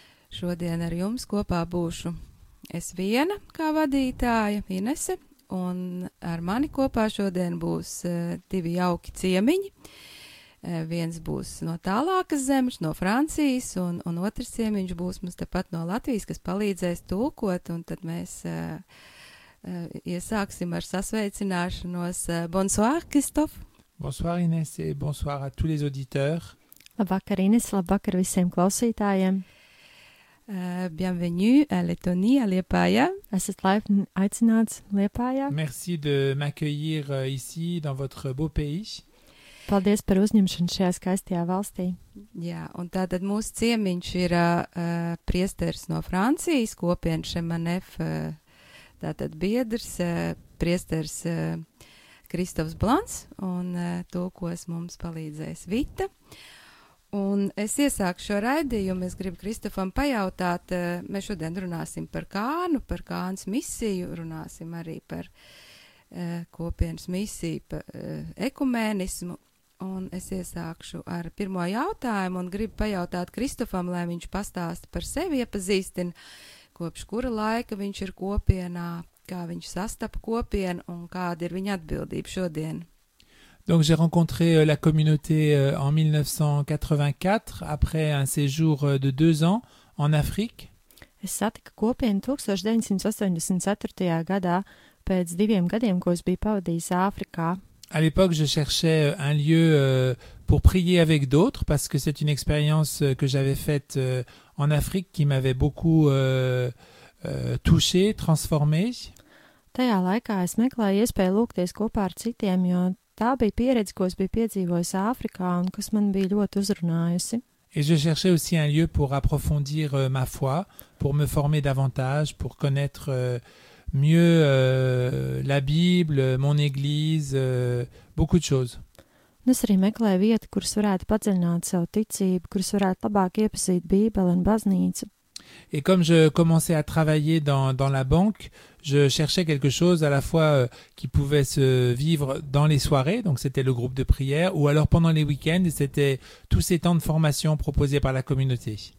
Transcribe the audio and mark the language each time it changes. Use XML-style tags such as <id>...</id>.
<lv>Šodien ar jums kopā būšu es viena kā vadītāja, Inese, un ar mani kopā šodien būs divi jauki ciemiņi. Viens būs no tālākas zemes, no Francijas, un otrs ciemiņš būs mums tepat no Latvijas, kas palīdzēs tulkot, un tad mēs iesāksim ar sasveicināšanos.</lv> <fr>Bonsoir, Christophe! Bonsoir, Inese, et bonsoir à tous les auditeurs!</fr> <lv>Labvakar, Inese, labvakar visiem klausītājiem!</lv> <fr>Bienvenue à Lettonie, à Liepāja!</fr> <lv>Esat laipni aicināts Liepājā!</lv> <fr>Merci de m'accueillir ici, dans votre beau pays!</fr> <lv>Paldies par uzņemšanu šajā skaistajā valstī. Jā, un tātad mūsu ciemiņš ir priesteris no Francijas, kopiena Šemanef, tātad biedrs, priesteris Kristofs Blans, un to, ko es mums palīdzēs Vita. Un es iesāku šo raidījumu, es gribu Kristofam pajautāt, mēs šodien runāsim par Kānu, par Kānas misiju, runāsim arī par kopienas misiju, par ekumenismu. Un es iesākšu ar pirmo jautājumu un gribu pajautāt Kristofam, lai viņš pastāsta par sevi iepazīstin, kopš kura laika viņš ir kopienā, kā viņš sastapa kopienu un kāda ir viņa atbildība šodien.</lv> <fr>Donc j'ai rencontré la communauté en 1984 après un séjour de 2 ans en Afrique.</fr> <lv>Es satiku kopienu 1984. Gadā pēc diviem gadiem, ko es biju pavadījis Āfrikā.</lv> <fr>À l'époque, je cherchais un lieu pour prier avec d'autres parce que c'est une expérience que j'avais faite en Afrique qui m'avait beaucoup touché, transformé.</fr> <lv>Tajā laikā es meklēju iespēju lūgties kopā ar citiem, jo tā bija pieredze, ko es biju piedzīvojis Āfrikā un kas man bija ļoti uzrunājusi.</lv> <fr>Et je cherchais aussi un lieu pour approfondir ma foi, pour me former davantage, pour connaître mieux la Bible, mon église, beaucoup de choses.</fr> <lv>Es arī meklēju vietu, kur es varētu padziļināt savu ticību, kur es varētu labāk iepazīt Bībeli un baznīcu.</lv> <fr>Et comme je commençais à travailler dans la banque, je cherchais quelque chose à la fois qui pouvait se vivre dans les soirées, donc c'était le groupe de prière, ou alors pendant les week-ends, c'était tous ces temps de formation proposés par la communauté.</fr>